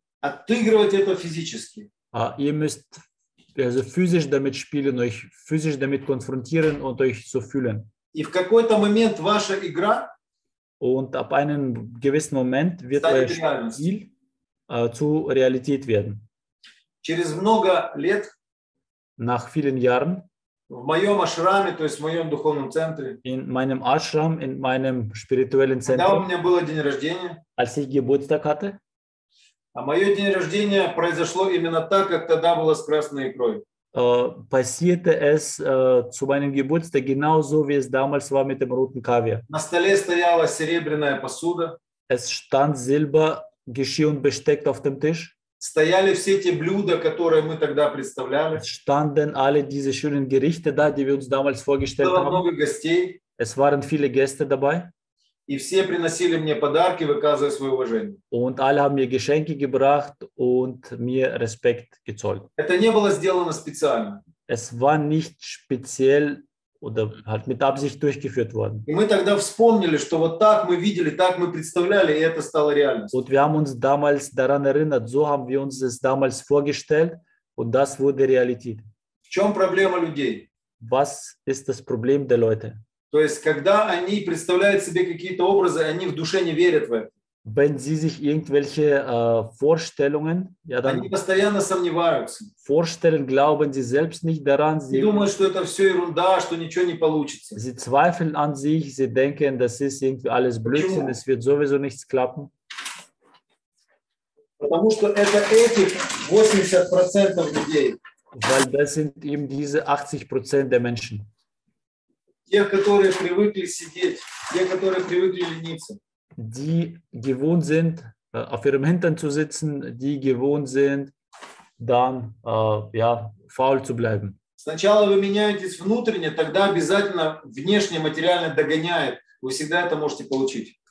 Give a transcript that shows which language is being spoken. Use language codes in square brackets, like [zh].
[ru] Отыгрывать это физически. [de] Ihr müsst also physisch damit spielen, euch physisch damit konfrontieren und euch so fühlen. [ru] И в какой-то момент ваша игра [de] und ab einem gewissen Moment wird euer Spiel zu Realität werden. [ru] Через много лет, [de] nach vielen Jahren, [ru] в моем ашраме, то есть в моем духовном центре, [de] in meinem Ashram, in meinem spirituellen Center, [ru] когда у меня было день рождения, [de] als ich Geburtstag hatte, [ru] а мое день рождения произошло именно так, как тогда было с красной икрой. [de] Passierte es zu meinem Geburtstag genauso, wie es damals war mit dem roten Kaviar. [ru] На столе стояла серебряная посуда. [de] Es stand Silber Geschirr und Besteck auf dem Tisch. [ru] Стояли все те блюда, которые мы тогда представляли. [de] Standen alle diese schönen Gerichte da, die wir uns damals vorgestellt haben. [ru] Было много гостей. [de] Es waren viele Gäste dabei. [ru] И все приносили мне подарки, выказывая свое уважение. [de] Und alle haben mir Geschenke gebracht und mir Respekt gezollt. [ru] Это не было сделано специально. [de] Es war nicht speziell oder halt mit Absicht durchgeführt worden. [ru] И мы тогда вспомнили, что вот так мы видели, так мы представляли, и это стало реальностью. [de] Und wir haben uns damals daran erinnert, so haben wir uns es damals vorgestellt und das wurde Realität. [ru] В чем проблема людей? [de] Was ist das Problem der Leute? [ru] То есть, когда они представляют себе какие-то образы, они в душе не верят в это. [de] Wenn sie sich irgendwelche Vorstellungen, ja, dann [ru] они постоянно сомневаются. [de] Vorstellen, glauben sie selbst nicht daran. [ru] Sie думают, что это все ерунда, что ничего не получится. [de] Sie zweifeln an sich, sie denken, das ist irgendwie alles Blödsinn, es wird sowieso nichts klappen. [ru] Потому что это эти 80% людей. [de] Weil das sind eben diese 80% der Menschen. [ru] Те, которые привыкли сидеть, те, которые привыкли лениться. [de] Die gewohnt sind, auf ihrem Hintern zu sitzen, die gewohnt sind, dann ja, faul zu bleiben. [ru] Сначала вы меняетесь внутренне, тогда обязательно внешнее материально догоняет. Вы всегда это можете получить.